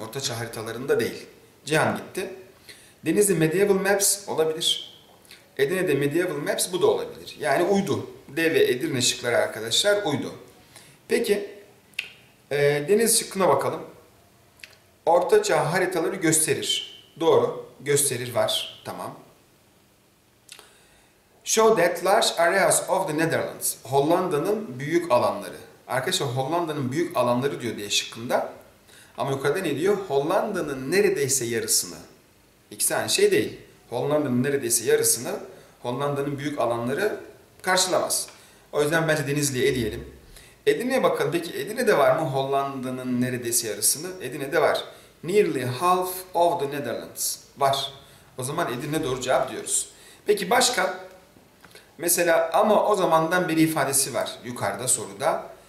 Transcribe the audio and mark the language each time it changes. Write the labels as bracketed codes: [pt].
[tr] Ortaçağ haritalarında değil. Cihan gitti. Denizli [en] medieval maps [tr] olabilir. Edirne'de [en] medieval maps, [tr] bu da olabilir. Yani uydu. D ve Edirne şıkları arkadaşlar uydu. Peki deniz şıkkına bakalım. Ortaçağ haritaları gösterir. Doğru. Gösterir var. Tamam. [en] Show that large areas of the Netherlands. [tr] Hollanda'nın büyük alanları. Arkadaşlar Hollanda'nın büyük alanları diyor diye şıkkında. Ama yukarıda ne diyor? Hollanda'nın neredeyse yarısını. İkisi aynı şey değil. Hollanda'nın neredeyse yarısını Hollanda'nın büyük alanları karşılamaz. O yüzden bence Denizli'ye diyelim. Edirne'ye bakalım. Peki Edirne'de var mı Hollanda'nın neredeyse yarısını? Edirne'de var. [en] Nearly half of the Netherlands. [tr] Var. O zaman Edirne doğru cevap diyoruz. Peki başka? Mesela ama o zamandan beri ifadesi var yukarıda soruda.